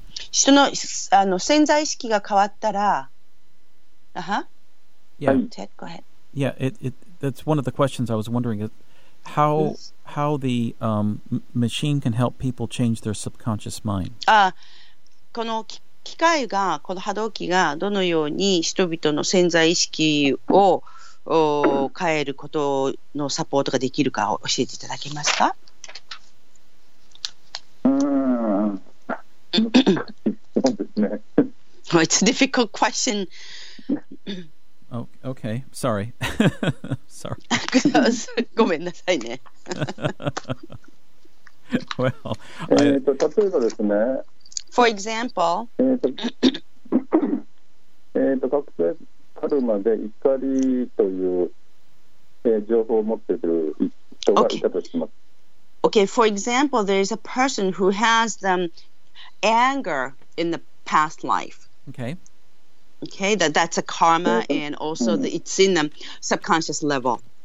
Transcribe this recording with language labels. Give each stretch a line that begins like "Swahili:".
Japanese: 人の、あの、潜在意識が変わったら、
English: Yeah. Ted, go ahead. Yeah, it that's one of the questions I was wondering is how the machine can help people change their subconscious mind.
Japanese: この機械がこの波動機がどのように人々の潜在意識を変えることのサポートができるか教えていただけますか。そうです
English: ね。It's a difficult question. Oh, okay. Sorry. Sorry.
Japanese: ごめんなさいね。
English: Well,
Japanese: 例えばですね。
English: For example.
Japanese: 覚醒カルマで怒りという、情報を持っている人がいたとします。
English: Okay. For example, there is a person who has the anger in the past life. Okay. Okay, that's a karma, and also the, it's in the subconscious level.